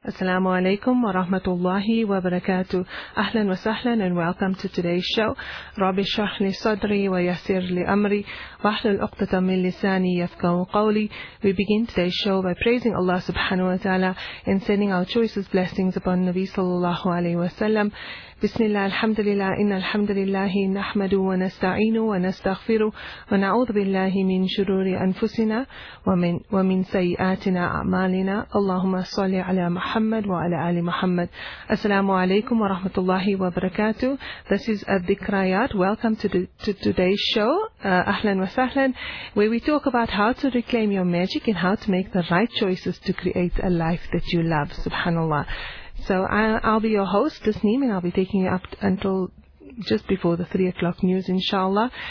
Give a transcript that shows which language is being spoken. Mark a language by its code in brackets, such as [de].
[ar] السلام عليكم ورحمة الله وبركاته. أهلا وسهلا [en] and welcome to today's show. [ar] رب اشرح لي صدري ويسر لي أمري واحلل عقدة من لساني يفقهوا قولي. [en] We begin today's show by praising Allah subhanahu wa ta'ala and sending our choicest blessings upon Nabi sallallahu alayhi wa sallam. [ar] بسم الله الحمد لله إن الحمد لله نحمده ونستعينه ونستغفره ونعوذ بالله من شرور أنفسنا ومن سيئات أعمالنا. اللهم صل على محمد وعلى آل محمد. السلام عليكم ورحمة الله وبركاته. [en] This is الذكريات. Welcome to today's show. [ar] أهلا وسهلا, [en] where we talk about how to reclaim your magic and how to make the right choices to create a life that you love. [ar] سبحان الله. [en] So I'll be your host, Tasneem, and I'll be taking you up until just before the 3 o'clock news, inshallah.